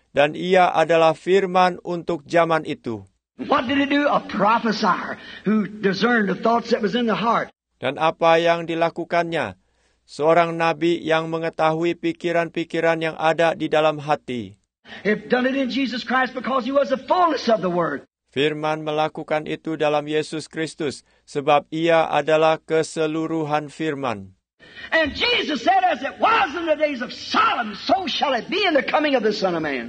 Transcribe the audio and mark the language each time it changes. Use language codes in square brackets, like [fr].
[id] Dan ia adalah firman untuk zaman itu. [en] What did it do? A prophesier who discerned the thoughts that was in the heart. [id] Dan apa yang dilakukannya? Seorang nabi yang mengetahui pikiran-pikiran yang ada di dalam hati. [en] If done it in Jesus Christ because he was the fullness of the word. [id] Firman melakukan itu dalam Yesus Kristus sebab ia adalah keseluruhan firman. [en] And Jesus said as it was in the days of Solomon so shall it be in the coming of the Son of Man.